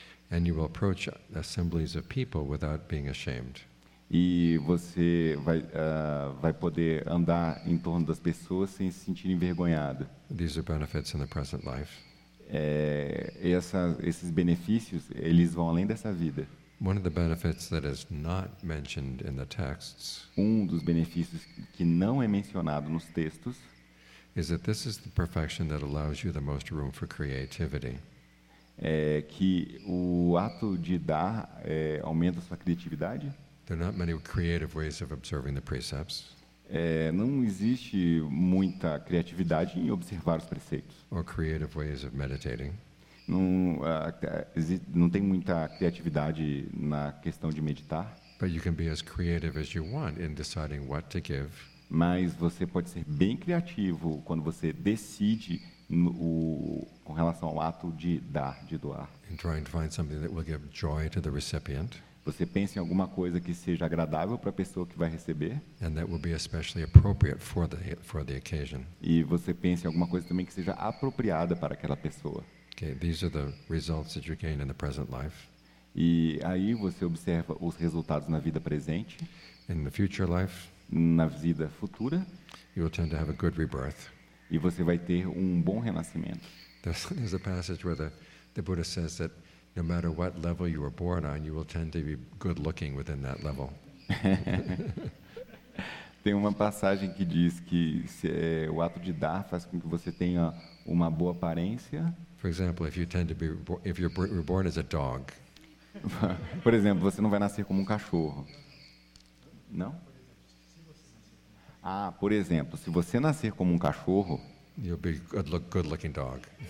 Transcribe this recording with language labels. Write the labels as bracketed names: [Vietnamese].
[English] And you will approach assemblies of people without being ashamed. [Portuguese] E você vai poder andar em torno das pessoas sem se sentir envergonhado. [English] These are benefits in the present life. [Portuguese] Esses benefícios, eles vão além dessa vida. [English] One of the benefits that is not mentioned in the texts. [Portuguese] Um dos benefícios que não é mencionado nos textos. [English] Is that this is the perfection that allows you the most room for creativity. [Portuguese] Que o ato de dar aumenta sua criatividade. [English] There are not many creative ways of observing the precepts. [Portuguese] Não existe muita criatividade em observar os preceitos. [English] Or creative ways of meditating. [Portuguese] Não tem muita criatividade na questão de meditar. [English] But you can be as creative as you want in deciding what to give. [Portuguese] Mas você pode ser bem criativo quando você decide com relação ao ato de dar, de doar. [English] In trying to find something that will give joy to the recipient. [Portuguese] Você pensa em alguma coisa que seja agradável para a pessoa que vai receber. [English] And that will be especially appropriate for the occasion. [Portuguese] E você pensa em alguma coisa também que seja apropriada para aquela pessoa. [English] Okay, these are the results that you gain in the present life. [Portuguese] E aí você observa os resultados na vida presente. [English] In the future life. [Portuguese] Na vida futura. [English] You will tend to have a good rebirth. [Portuguese] E você vai ter um bom renascimento. [English] There's a passage where the Buddha says that no matter what level you were born on, you will tend to be good looking within that level. [Portuguese] Tem uma passagem que diz que o ato de dar faz com que você tenha uma boa aparência. [English] For example, if you're born as a dog. [Portuguese] Por exemplo, você não vai nascer como um cachorro. Não? Por exemplo, se você nascer como um cachorro, [English] you'll be a good-looking dog.